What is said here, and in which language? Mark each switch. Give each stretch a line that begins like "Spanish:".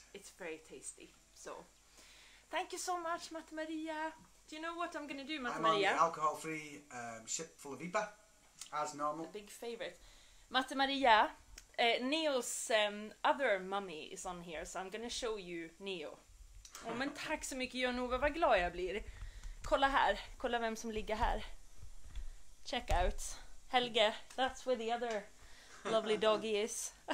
English: It's very tasty. So, thank you so much, Matt Maria. Do you know what I'm going to do, Matt Maria? I'm on the alcohol-free ship full of IPA, as normal. A big favourite. Matt Maria, Neo's other mummy is on here, so I'm going to show you Neo.
Swedish: Oh, men tack så mycket, Jan-Ove, vad glad jag blir. Kolla här, kolla vem som ligger här.
English: Check out Helge, that's where the other lovely doggy is.